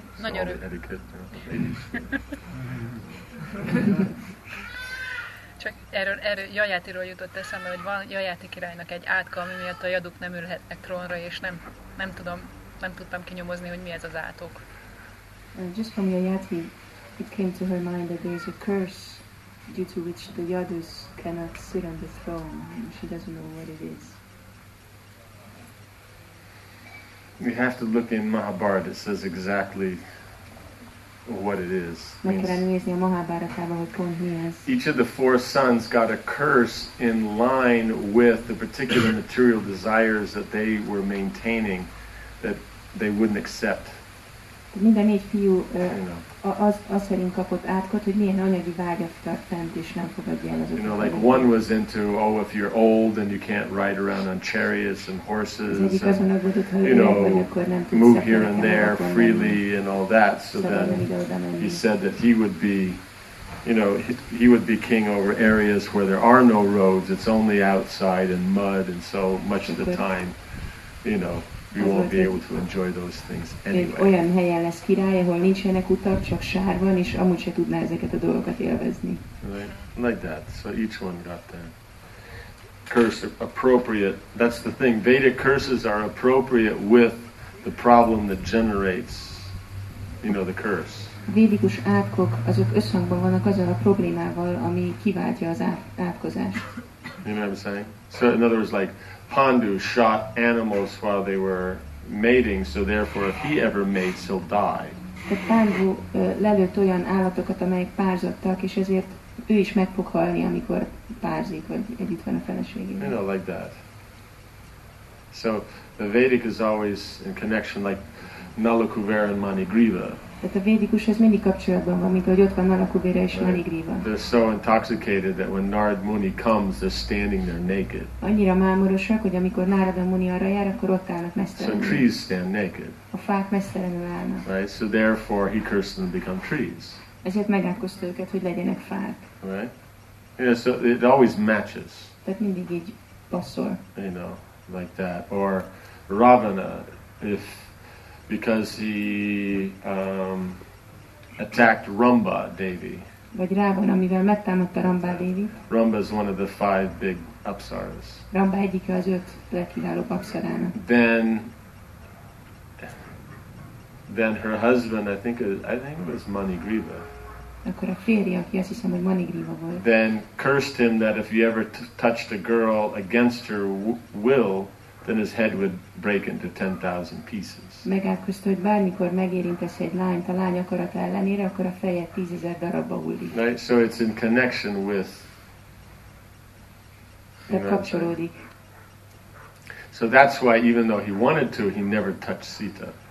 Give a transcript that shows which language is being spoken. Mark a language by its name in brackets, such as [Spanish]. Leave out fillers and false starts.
[English] it's [Hungarian] nagyon rövid. Csak erről Jajátiról jutott eszembe, hogy van Jajáti királynak egy átka, ami miatt a jaduk nem ülhetnek trónra, és nem tudom. Nem tudtam kinyomozni, hogy mi ez az átok. [English] Just from Yayati, it came to her mind that there is a curse due to which the Yadus cannot sit on the throne, and she doesn't know what it is. We have to look in Mahabharata, it says exactly what it is. [Hungarian] Meg kellene nézni a Mahabharatában, hogy pont mi ez. [English] Each of the four sons got a curse in line with the particular material desires that they were maintaining. That they wouldn't accept. [Hungarian] Minden négy fiú az szerint kapott átkot, hogy milyen anyagi vágyat tart fent, és nem fogadja el azokat. [English] You know, like one was into, oh, if you're old and you can't ride around on chariots and horses, and, you know, move here and there freely and all that. So then he said that he would be, you know, he would be king over areas where there are no roads. It's only outside and mud, and so much of the time, you know. You won't be able to enjoy those things anyway. [Hungarian] Olyan helyen lesz király, ahol nincsenek utak, csak sár van, és amúgy se tudná ezeket a dolgokat élvezni. [English] Right. Like that. So each one got the curse appropriate. That's the thing. Vedic curses are appropriate with the problem that generates, you know, the curse. [Hungarian] Védikus átkok, azok összhangban vannak azzal a problémával, ami kiváltja az átkozást. [English] You know what I'm saying? So in other words, like, Pandu shot animals while they were mating, so therefore if he ever mates, he'll die. [Hungarian] Pandu lelőtt olyan állatokat, amelyek párzottak, és ezért ő is meg fog halni, amikor párzik, vagy együtt van a feleségével. [English] You know, like that. So the Vedic is always in connection, like Nalakuvera and Manigriva. [Hungarian] Tehát a védikus ez mindig kapcsolatban van, mint ahogy ott van Nalakuvera és Manigriva. [English] They're so intoxicated that when Narad Muni comes, they're standing there naked. [Hungarian] Annyira mámorosak, hogy amikor Narada Muni arra jár, akkor ott állnak mesztelenül. [English] So trees stand naked. [Hungarian] A fák mesztelenül állnak. [English] Right, so therefore he cursed them to become trees. [Hungarian] Ezért megátkozta őket, hogy legyenek fák. [English] Right. Yeah, so it always matches. [Hungarian] Tehát mindig így passzol. [English] You know, like that. Or Ravana, if because he attacked Rumba Devi. [Hungarian] Vagy Ravana, mivel megtámadta Rumba Devi. [English] Rumba is one of the five big apsaras. [Hungarian] Rumba egyike az öt legkiváló apsarának. [English] Then her husband, I think it was Manigriva. [Hungarian] Akkor a férje, aki azt hiszem, hogy Manigriva volt. [English] Then cursed him that if he ever touched a girl against her will, then his head would break into 10,000 pieces. [Hungarian] Megállkozta, hogy bármikor megérintesz egy lányt a lány akarata ellenére, akkor a feje 10,000 darabba hullik. [English] Right, so it's in connection with. [Hungarian] De kapcsolódik. [English] So that's why, even though he wanted to, he never touched Sita.